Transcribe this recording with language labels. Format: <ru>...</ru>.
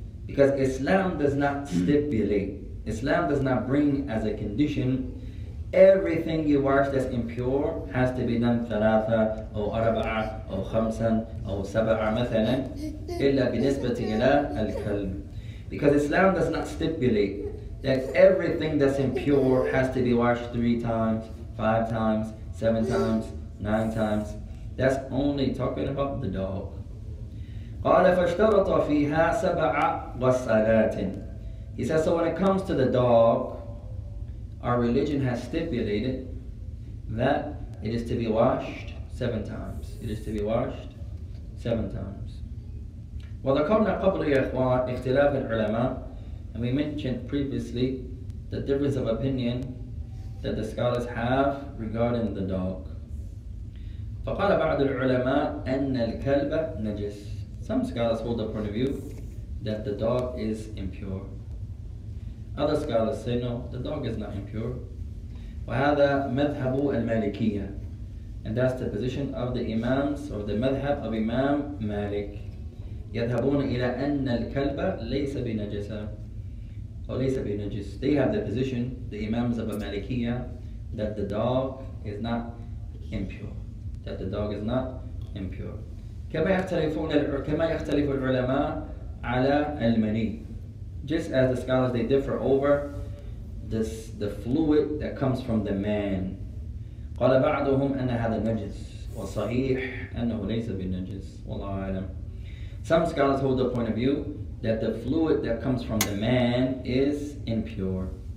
<en>Because Islam does not stipulate, Islam does not bring as a condition, everything you wash that's impure has to be done</en> <ar>ثلاثة أو أربعة أو خمسة أو سبعة مثلا إلا بالنسبة إلى الكلب.</ar> <en>Because Islam does not stipulate that everything that's impure has to be washed 3 times, 5 times, 7 times, 9 times. That's only talking about the dog.</en> <ar>قال فاشترط فيها سبع غسلات.</ar> <en>He says, so when it comes to the dog, our religion has stipulated that it is to be washed 7 times. It is to be washed 7 times.</en> <ar>وذكرنا قبل يا إخوان اختلاف العلماء</ar> <en>And we mentioned previously the difference of opinion that the scholars have regarding the dog.</en> <ar>فقال بعض العلماء أن الكلب نجس.</ar> <en>Some scholars hold the point of view that the dog is impure. Other scholars say no, the dog is not impure.</en> <ar>وهذا مذهب المالكية.</ar> <en>And that's the position of the imams or the madhab of Imam Malik.</en> <ar>يذهبون إلى أن الكلب ليس بنجسة.</ar> <en>They have the position, the Imams of Malikiyah, that the dog is not impure. that the dog is not impure.</en> <ar>كما يختلفون كما يختلف العلماء على المني.</ar> <en>Just as the scholars they differ over this the fluid that comes from the man.</en> <ar>قال بعضهم أن هذا نجس وصحيح أنه ليس بنجس والله أعلم.</ar> <en>Some scholars hold the point of view that the fluid that comes from the man is impure.</en>